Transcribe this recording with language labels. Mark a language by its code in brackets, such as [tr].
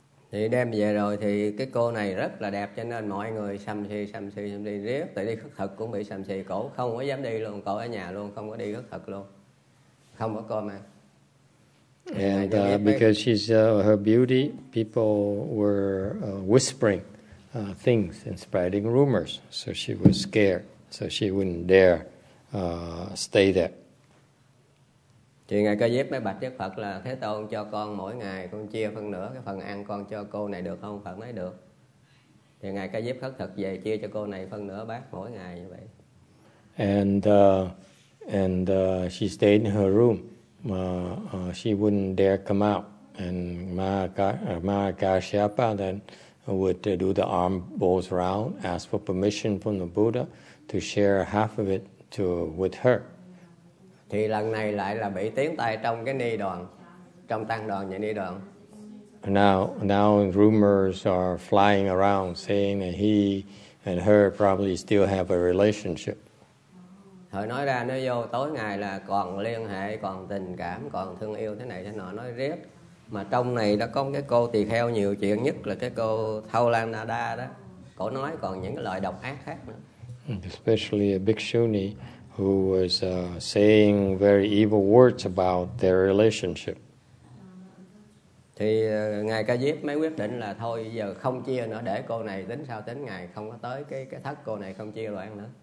[vi] Thì đem về rồi thì cái cô này rất là đẹp, cho nên mọi người sam si riết tại đi khất thực cũng bị sam si, cổ không có dám đi luôn, cổ ở nhà luôn, không có đi khất thực luôn, không có cơm ăn. [en] And because she's her beauty, people were whispering things and spreading rumors, so she was scared, so she wouldn't dare stay there. [vi] Thì ngài Ca Diếp mới bạch Đức Phật là: Thế Tôn, cho con mỗi ngày con chia phân nửa cái phần ăn con cho cô này được không? Phật nói được. Thì ngài Ca Diếp khất thực về chia cho cô này phân nửa bát mỗi ngày như vậy. [en] And she stayed in her room. She wouldn't dare come out. And Mahakashyapa then would do the arm bows round, ask for permission from the Buddha to share half of it with her. [vi] Thì lần này lại là bị tiếng tai trong cái ni đoàn, trong tăng đoàn và ni đoàn. [en] Now rumors are flying around saying that he and her probably still have a relationship. [vi] Hồi nói ra nói vô tối ngày là còn liên hệ, còn tình cảm, còn thương yêu thế này thế nọ, nói riết. Mà trong này đã có cái cô tỳ kheo nhiều chuyện, nhất là cái cô Thâu Lan Na Đa đó, cổ nói còn những cái lời độc ác khác nữa. [en] Especially a Bhikshuni who was saying very evil words about their relationship. [vi] Thì ngài Ca Diếp mới quyết định là thôi giờ không chia nữa, để cô này tính sao tính ngày, không có tới cái thất cô này không chia loạn nữa.